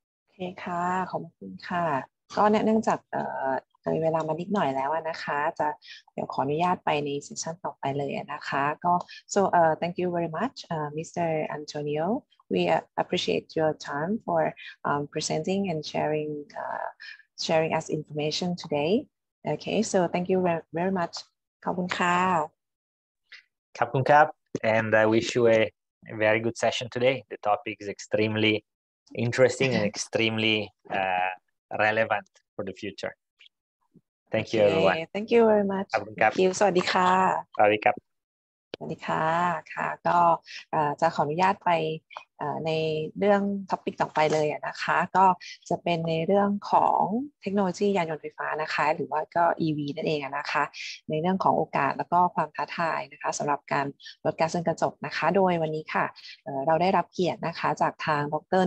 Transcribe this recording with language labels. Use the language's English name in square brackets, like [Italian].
[Thai] Okay, ค่ะขอบคุณค่ะก็เนื่องจากมีเวลามานิดหน่อยแล้วนะคะจะเดี๋ยวขออนุญาตไปในเซสชั่นต่อไปเลยนะคะก็ [English] so thank you very much Mr. Antonio. We appreciate your time for presenting and sharing us information today. Okay, so thank you very much. [Thai] ขอบคุณค่ะ ขอบคุณครับ [English] and I wish you a very good session today. The topic is extremely interesting and extremely relevant for the future. Thank you, everyone. Thank you very much. Thank you. [Thai] สวัสดีค่ะ สวัสดีครับ สวัสดีค่ะค่ะก็จะขออนุญาตไปในเรื่องท็อปิกต่อไปเลยนะคะก็จะเป็นในเรื่องของเทคโนโลยียานยนต์ไฟฟ้านะคะหรือว่าก็ EV นั่นเองนะคะในเรื่องของโอกาสแล้วก็ความท้าทายนะคะสำหรับการลดก๊าซเรือนกระจกนะคะโดยวันนี้ค่ะเราได้รับเกียรตินะคะจากทางดร.